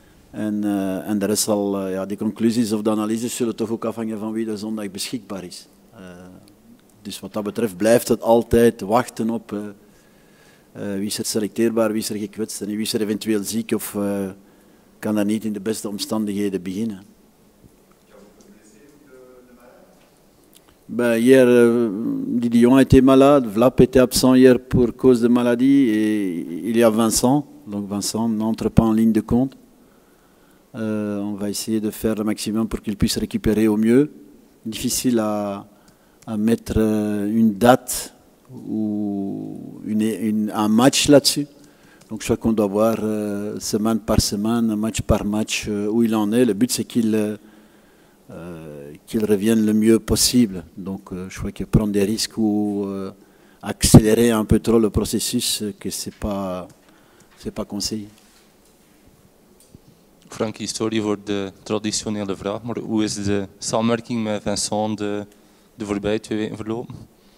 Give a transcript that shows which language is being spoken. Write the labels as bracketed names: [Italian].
[Dutch] En de rest zal, ja, die conclusies of de analyses zullen toch ook afhangen van wie er zondag beschikbaar is. Dus wat dat betreft blijft het altijd wachten op. Wie is er selecteerbaar, wie is er gekwetst en wie is er eventueel ziek of kan daar niet in de beste omstandigheden beginnen. [French] Ben, hier, Didion était malade, Vlap était absent hier pour cause de maladie et il y a Vincent. Donc Vincent n'entre pas en ligne de compte. On va essayer de faire le maximum pour qu'il puisse récupérer au mieux. Difficile à mettre une date ou un match là-dessus. Donc je crois qu'on doit voir semaine par semaine, match par match, où il en est. Le but, c'est qu'il revienne le mieux possible. Donc je crois que prendre des risques ou accélérer un peu trop le processus, que c'est pas conseillé. [Dutch] Frankie, sorry voor de traditionele vraag, maar hoe is de samenwerking met Vincent de voorbije twee weken verlopen?